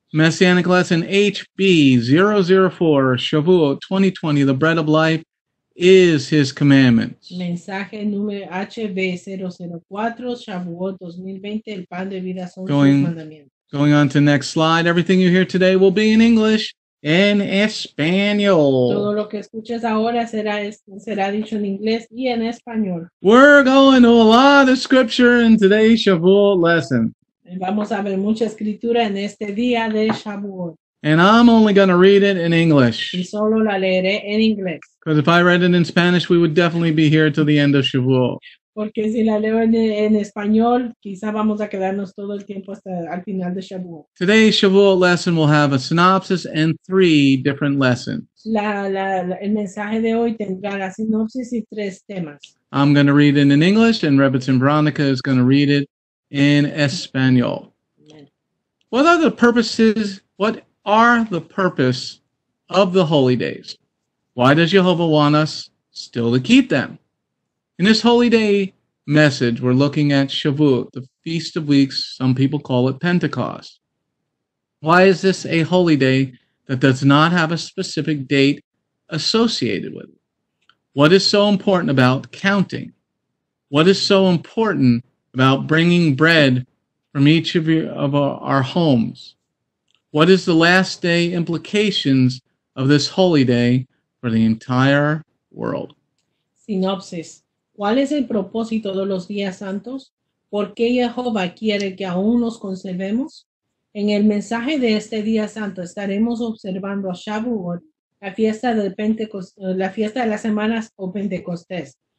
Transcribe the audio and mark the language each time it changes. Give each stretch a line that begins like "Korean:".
English: Messianic lesson HB004, Shavuot 2020. The bread of life is His commandments.
Spanish: Mensaje número HB004, Shavuot 2020. El pan de vida son sus mandamientos.
English: Going on to the next slide. Everything you hear today will be in English.
Spanish: En español. Todo lo que escuches ahora será dicho en inglés y en español.
English: We're going to a lot of scripture in today's Shavuot lesson.
Spanish: Vamos a ver mucha escritura en este día de Shavuot.
English: And I'm only going to read it in English.
Spanish: Y solo la leeré en inglés.
English: Because if I read it in Spanish, we would definitely be here till the end of Shavuot.
Spanish: Porque si la leo en español, quizá vamos a quedarnos todo el tiempo hasta al final de Shavuot.
English: Today's Shavuot lesson will have a synopsis and three different lessons.
Spanish: El mensaje de hoy tendrá la sinopsis y tres temas.
English: I'm going to read it in English, and Rebbetzin Veronica is going to read it in Espanol. What are the purpose of the holy days? Why does Yehovah want us still to keep them? In this holy day message, we're looking at Shavuot, the Feast of Weeks. Some people call it Pentecost. Why is this a holy day that does not have a specific date associated with it? What is so important about counting? What is so important about bringing bread from each of our homes? What is the last day implications of this holy day for the entire world? Synopsis.
Spanish: ¿Cuál es el propósito de los días santos? ¿Por qué Jehová quiere que aún los conservemos? En el mensaje de este día santo estaremos observando a Shavuot, la fiesta de las semanas o Pentecostés.